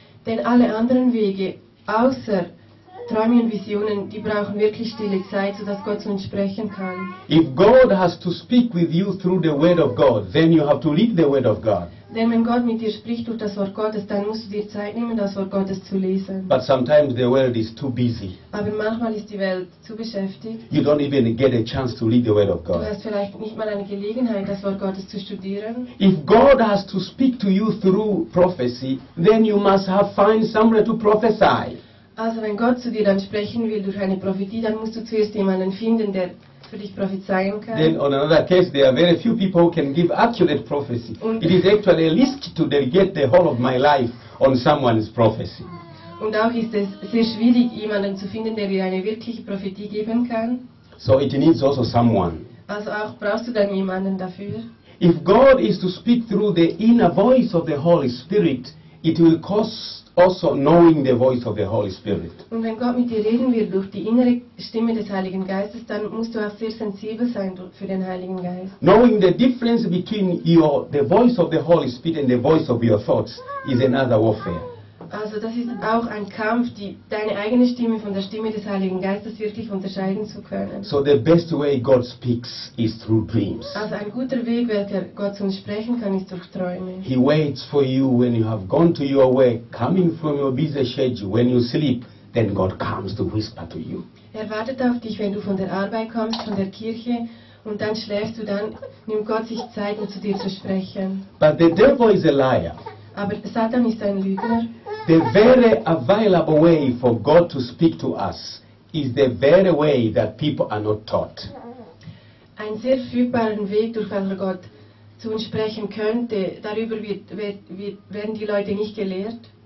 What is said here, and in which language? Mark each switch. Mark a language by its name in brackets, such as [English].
[German] Denn alle anderen Wege außer Träume und Visionen, die brauchen wirklich stille Zeit, so dass Gott zu uns sprechen kann. [English] If God has to speak with you through the word of God, then you have to read the word of God. [German] Denn wenn Gott mit dir spricht durch das Wort Gottes, dann musst du dir Zeit nehmen, das Wort Gottes zu lesen. [English] But sometimes the world is too busy. [German] Aber manchmal ist die Welt zu beschäftigt. [English] You don't even get a chance to read the word of God. [German] Du hast vielleicht nicht mal eine Gelegenheit, das Wort Gottes zu studieren. [English] If God has to speak to you through prophecy, then you must have find somewhere to prophesy. [German] Also wenn Gott zu dir dann sprechen will durch eine Prophetie, dann musst du zuerst jemanden finden, der für dich prophezeien kann. [English] Then on another case, there are very few people who can give accurate prophecy. [German] Und [English] it is actually a risk to delegate the whole of my life on someone's prophecy. [German] Und auch ist es sehr schwierig, jemanden zu finden, der dir eine wirkliche Prophetie geben kann. [English] So it needs also someone. [German] Also auch brauchst du dann jemanden dafür. [English] If God is to speak through the inner voice of the Holy Spirit, it will cost also knowing the voice of the Holy Spirit. [German] Und wenn Gott mit dir reden wird durch die innere Stimme des Heiligen Geistes, dann musst du auch sehr sensibel sein für den Heiligen Geist. [English] Knowing the difference between the voice of the Holy Spirit and the voice of your thoughts is another warfare. [German] Also das ist auch ein Kampf, deine eigene Stimme von der Stimme des Heiligen Geistes wirklich unterscheiden zu können. [English] So the best way God speaks is through dreams. [German] Also ein guter Weg, welcher Gott zu uns sprechen kann, ist durch Träume. [English] He waits for you when you have gone to your work, coming from your busy schedule, when you sleep, then God comes to whisper to you. [German] Er wartet auf dich, wenn du von der Arbeit kommst, von der Kirche, und dann schläfst du, dann nimmt Gott sich Zeit, um zu dir zu sprechen. [English] But the devil is a liar. [German] Aber Satan ist ein Lügner. [English] The very available way for God to speak to us is the very way that people are not taught. [German] Ein sehr verfügbaren Weg, durch welchen Gott zu uns sprechen könnte, darüber werden die Leute nicht gelehrt.